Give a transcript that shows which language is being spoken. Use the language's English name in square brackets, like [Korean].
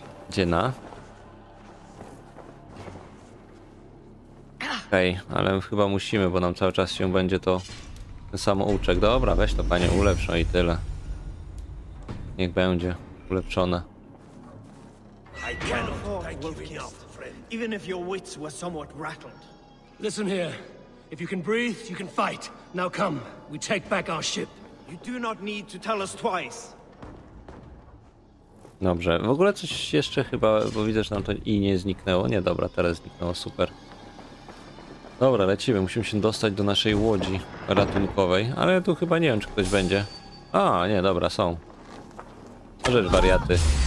[Polish] Gdzie na? Okej, ale chyba musimy, bo nam cały czas się będzie to ten samouczek. Dobra, weź to, panie, ulepszą i tyle. Niech będzie ulepszone. [English] I cannot thank you enough, friend. Even if your wits were somewhat rattled. Listen here. If you can breathe, you can fight. Now come, we take back our ship. You do not need to tell us twice. [Polish] Dobrze, w ogóle coś jeszcze chyba, bo widzę, że nam to i nie zniknęło. Nie, dobra, teraz zniknęło, super. Dobra, lecimy, musimy się dostać do naszej łodzi ratunkowej, ale tu chyba nie wiem, czy ktoś będzie. A, nie, dobra, są. Możesz, wariaty.